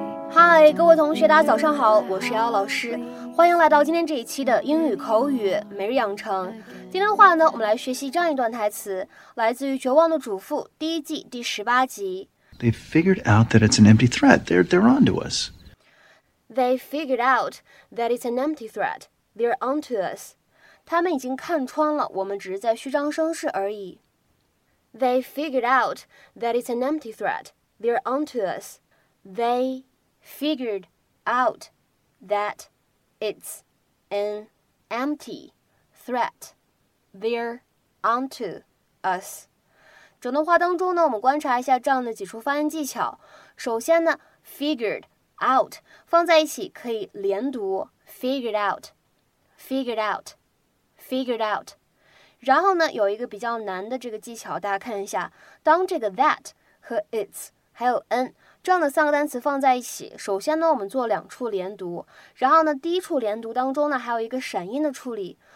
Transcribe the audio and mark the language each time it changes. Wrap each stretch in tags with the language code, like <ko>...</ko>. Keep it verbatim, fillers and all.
<zh>嗨，各位同学，大家早上好，我是姚老师，欢迎来到今天这一期的英语口语每日养成。今天的话呢，我们来学习这样一段台词，来自于《绝望的主妇》第一季第十八集。</zh> <en>They figured out that it's an empty threat. They're they're onto us. They figured out that it's an empty threat. They're onto us.</en> <zh>他们已经看穿了，我们只是在虚张声势而已。</zh> <en>They figured out that it's an empty threat. They're onto us. They figured out that it's an empty threat. They're onto us.</en> <zh>整段话当中呢，我们观察一下这样的几处发音技巧。首先呢 ，figured out 放在一起可以连读 ，figured out, figured out, figured out。然后呢，有一个比较难的这个技巧，大家看一下，当这个 that 和 it's 还有 an 这样的三个单词放在一起，首先呢，我们做两处连读，然后呢，第一处连读当中呢，还有一个闪音的处理。</zh>